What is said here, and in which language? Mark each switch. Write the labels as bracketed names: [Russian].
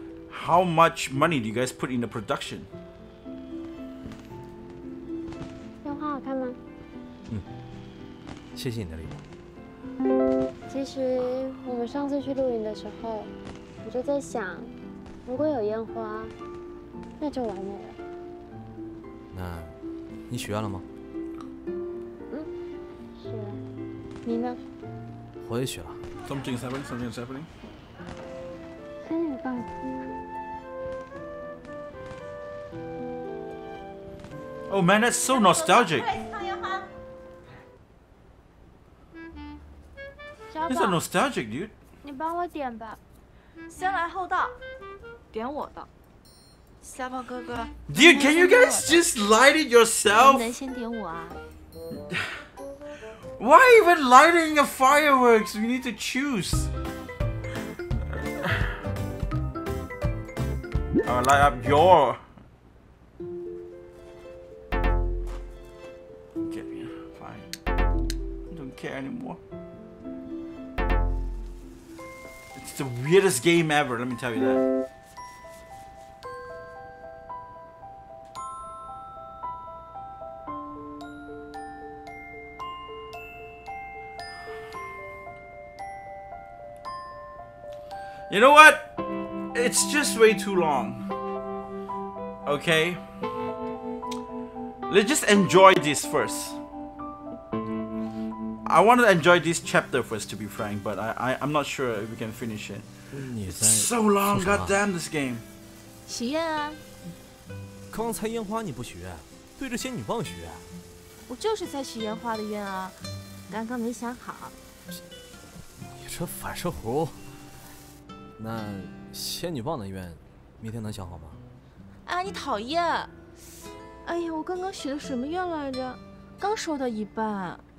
[English] How much money do you guys put in the production? [Chinese] 烟花好看吗？嗯，谢谢你的礼物。其实我们上次去露营的时候，我就在想，如果有烟花，那就完美了。那，你许愿了吗？嗯，许了。你呢？我也许了。Something [English] is happening. Something is happening. [Chinese] 真有道理。Oh [English] man, that's so nostalgic. It's a nostalgic, dude. [Chinese] 你帮我点吧。先来后到，点我的。小宝哥哥。 [English] Dude, can you guys just light it yourself? [Chinese] 能先点我啊。 [English] Why even lighting a fireworks? We need to choose. I'll light up your. Okay, fine. I don't care anymore. It's the weirdest game ever, let me tell you that. You know what? It's just way too long. Okay? Let's just enjoy this first. I want to enjoy this chapter first, to be frank, but I'm not sure if we can finish it. It's so long, goddamn this game. [Chinese] 许愿啊！刚才烟花你不许愿，对着仙女棒许愿。我就是在许烟花的愿啊，刚刚没想好。你这反射弧。那仙女棒的愿，明天能想好吗？啊，你讨厌！哎呀，我刚刚许的什么愿来着？刚说到一半。